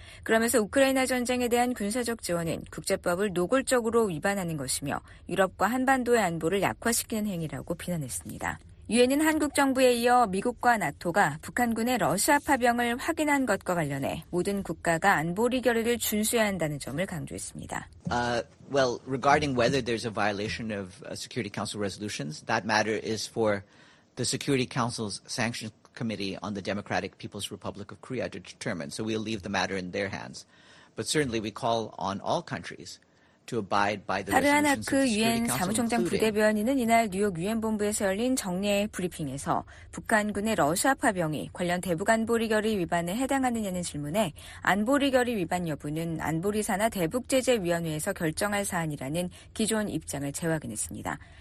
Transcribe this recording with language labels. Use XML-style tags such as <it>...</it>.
<ko>그러면서 우크라이나 전쟁에 대한 군사적 지원은 국제법을 노골적으로 위반하는 것이며 유럽과 한반도의 안보를 약화시키는 행위라고 비난했습니다. 유엔은 한국 정부에 이어 미국과 나토가 북한군의 러시아 파병을 확인한 것과 관련해 모든 국가가 안보리 결의를 준수해야 한다는 점을 강조했습니다.</ko> <en>Well, regarding whether there's a violation of Security Council resolutions, that matter is for the Security Council's Sanctions Committee on the Democratic People's Republic of Korea to determine. So we'll leave the matter in their hands. But certainly we call on all countries.</en> <ko>파르하나크 유엔 사무총장 부대변인은 이날 뉴욕 유엔 본부에서 열린 정례 브리핑에서 북한군의 러시아 파병이 관련 대북 안보리 결의 위반에 해당하느냐는 질문에 안보리 결의 위반 여부는 안보리 산하 대북 제재 위원회에서 결정할 사안이라는 기존 입장을 재확인했습니다.</ko>